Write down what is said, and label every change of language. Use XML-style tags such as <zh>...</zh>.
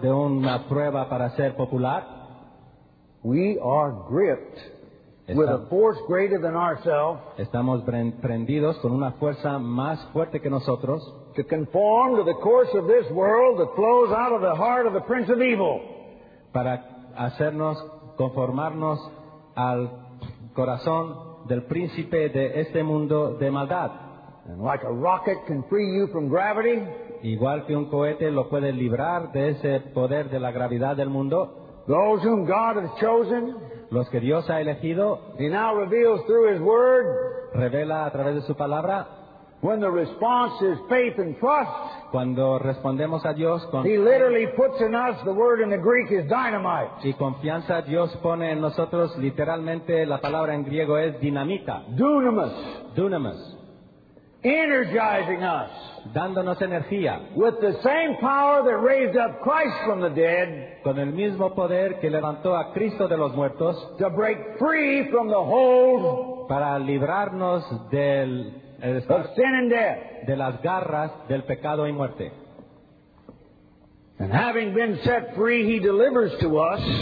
<es>De una prueba para ser popular.</es> <en>We are gripped with a force greater than ourselves.</en> <es>Estamos prendidos con una fuerza más fuerte que nosotros.</es> <en>To conform to the course of this world that flows out of the heart of the prince of evil.</en> <es>Para hacernos conformarnos al corazón del príncipe de este mundo de maldad.</es> <en>And like a rocket can free you from gravity.</en> <es>Igual que un cohete lo puede librar de ese poder de la gravedad del mundo.</es> <en>Those whom God has chosen,</en> <es>los que Dios ha elegido,</es> <en>He now reveals through His Word,</en> <es>revela a través de su palabra.</es> <en>When the response is faith and trust,</en> <es>cuando respondemos a Dios con</es> <en>He literally puts in us, the word in the Greek is dynamite.</en> <es>Y confianza, Dios pone en nosotros, literalmente la palabra en griego es dinamita.</es> <en>Dunamis.</en> <es>Dunamis.</es> <en>Energizing us.</en> <es>Dándonos energía.</es> <en>With the same power that raised up Christ from the dead.</en> <es>Con el mismo poder que levantó a Cristo de los muertos.</es> <en>To break free from the hold.</en> <es>Para librarnos del</es> <en>of sin and death,</en> <es>de las garras del pecado y muerte.</es> <en>And having been set free, He delivers to us.</en>